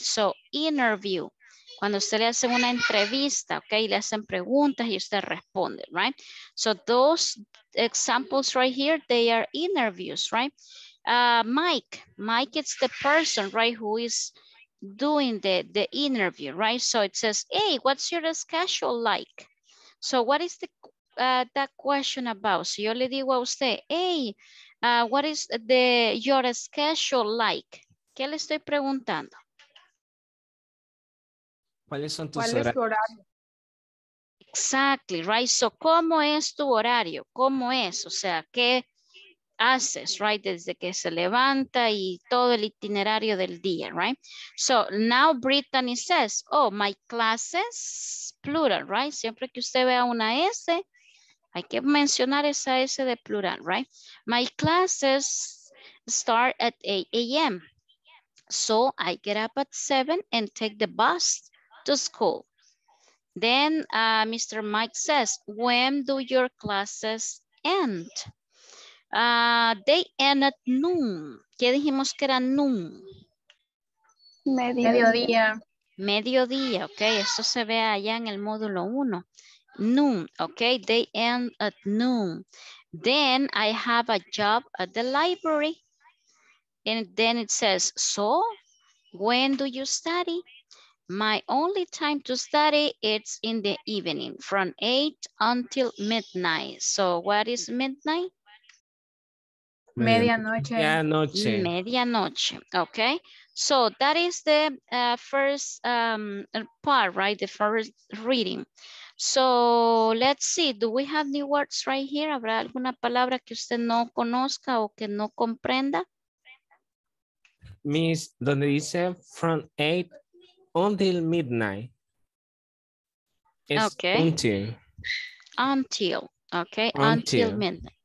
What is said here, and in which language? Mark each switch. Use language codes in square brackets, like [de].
[es] So, interview, cuando usted le hace una entrevista, okay, le hacen preguntas y usted responde, right? [en] So, those examples right here, they are interviews, right? Mike, it's the person, right, who is doing the interview, right? So, it says, hey, what's your schedule like? So, what is the that question about? So [es] yo le digo a usted, [en] hey, what is the your schedule like? [es] ¿Qué le estoy preguntando? ¿Cuáles son tus horarios? Exactly, right? So, ¿cómo es tu horario? ¿Cómo es? O sea, ¿qué haces, right? Desde que se levanta y todo el itinerario del día, right? [en] So, now Brittany says, oh, my classes, plural, right? [es] Siempre que usted vea una S, hay que mencionar esa S de plural, right? [en] My classes start at 8 a.m. So I get up at 7 and take the bus to school. Then Mr. Mike says, when do your classes end? They end at noon. [es] ¿Qué dijimos que era noon? Mediodía. Mediodía, ok. Eso se ve allá en el módulo 1. [en] Noon, okay, they end at noon. Then I have a job at the library. And then it says, so when do you study? My only time to study is in the evening from 8 until midnight. So what is midnight? [es] Medianoche. Medianoche. Okay. [en] So that is the first part, right? The first reading. So let's see. Do we have new words right here? [es] ¿Habrá alguna palabra que usted no conozca o que no comprenda? [en] Miss, [es] donde dice [en] from 8 until midnight. It's okay. Until. Until. Okay. Until midnight.